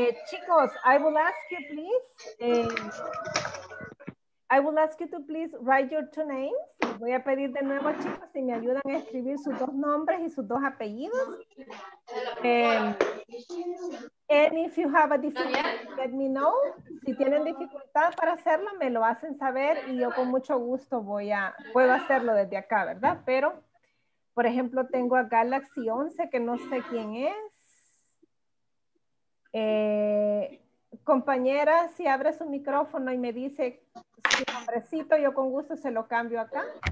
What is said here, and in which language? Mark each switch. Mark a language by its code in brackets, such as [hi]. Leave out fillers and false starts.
[en] Chicos, I will ask you please, I will ask you to write your two names. [es] Voy a pedir de nuevo, chicos, si me ayudan a escribir sus dos nombres y sus dos apellidos. [en] And if you have a difficulty, let me know. [es] Si tienen dificultad para hacerlo, me lo hacen saber y yo con mucho gusto puedo hacerlo desde acá, ¿verdad? Pero, por ejemplo, tengo a Galaxy 11, que no sé quién es. Compañera, si abre su micrófono y me dice su nombrecito, yo con gusto se lo cambio acá.